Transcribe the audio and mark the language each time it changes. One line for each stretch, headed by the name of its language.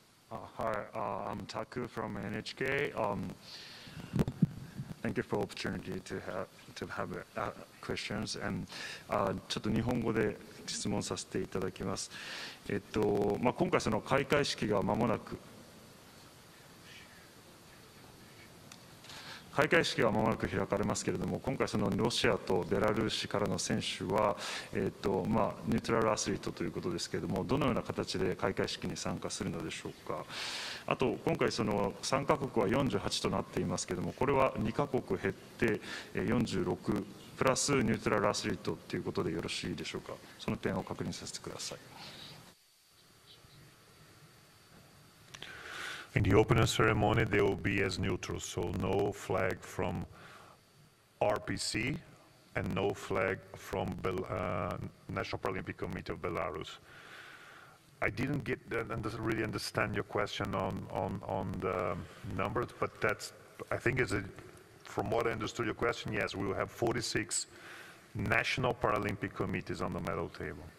English: Hi, I'm Taku from NHK. Thank you for the opportunity to have questions.
Japanese: And ちょっと日本語で質問させていただきます。まあ、今回その開会式が間もなく開かれますけれども、今回そのロシアとベラルーシからの選手は、まあ、ニュートラルアスリートということですけれども、どのような形で開会式に参加するのでしょうか。あと今回その参加国は48となっていますけれども、これは2カ国減って46プラスニュートラルアスリートということでよろしいでしょうか。その点を確認させてください。
English: In the opening ceremony, they will be as neutral, so no flag from RPC and no flag from National Paralympic Committee of Belarus. I didn't get really understand your question on the numbers, but that's, I think it's from what I understood your question, yes, we will have 46 National Paralympic Committees on the medal table.